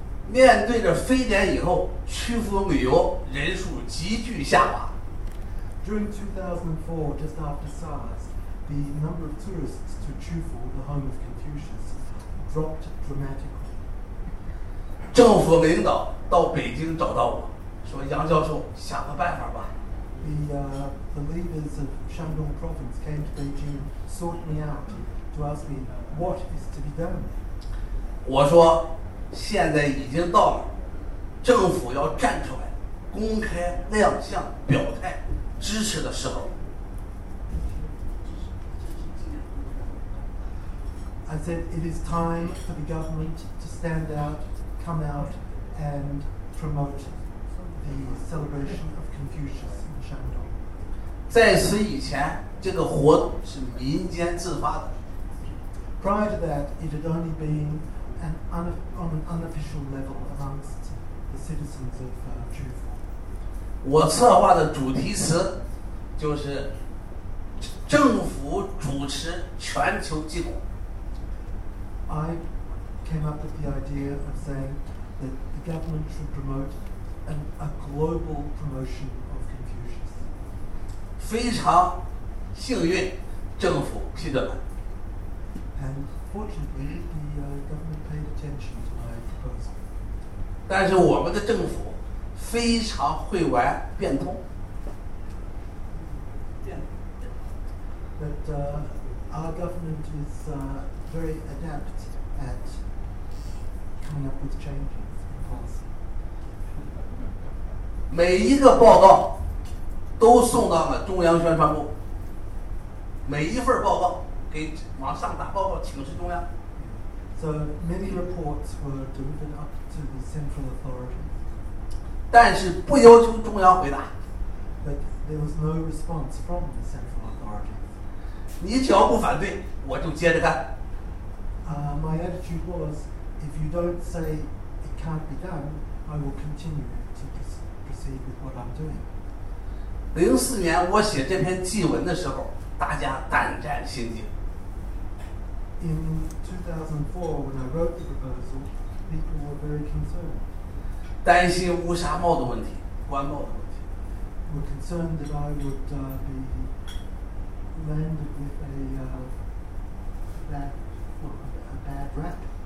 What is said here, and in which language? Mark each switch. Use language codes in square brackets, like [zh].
[zh] 面对着非典以后，曲阜旅游人数急剧下滑。 [en] During 2004, just after SARS, the number of tourists to Qifu, the home of Confucius, dropped dramatically. [zh] 政府领导到北京找到我，说：“杨教授，想个办法吧。 [en] ”The leaders of Shandong Province came to Beijing, sought me out to ask me what is to be done. [zh] 我说。现在已经到了，政府要站出来，公开亮相表态支持的时候。 [en] I said it is time for the government to stand out, come out, and promote the celebration of Confucius in Shandong. [zh] 在此以前，这个活动是民间自发的。 [en] Prior to that, it had only been on an unofficial level amongst the citizens of Zhufu. [zh] 我策划的主题词就是政府主持全球祭祖。 [en] I came up with the idea of saying that the government should promote a global promotion of Confucius. [zh] 非常幸运，政府批准了。 [en] And fortunately, the government paid attention to my proposal. [zh] 但是我们的政府非常会玩变通。 [en] But our government is very adept at coming up with changes in policy. [zh] 每一个报告都送到了中央宣传部，每一份报告给往上打报告，请示中央。 [en] So many reports were delivered up to the central authorities. [zh] 但是不要求中央回答。 [en] But there was no response from the central authorities. [zh] 你只要不反对，我就接着干。 [en] My attitude was, if you don't say it can't be done, I will continue to proceed with what I'm doing. [zh] 2004年我写这篇祭文的时候，大家胆战心惊。 [en] In 2004, when I wrote the proposal, people were very concerned. [zh] 担心乌纱帽的问题，官帽的问题。 [en] Were concerned that I would be. Landed with a bad rap.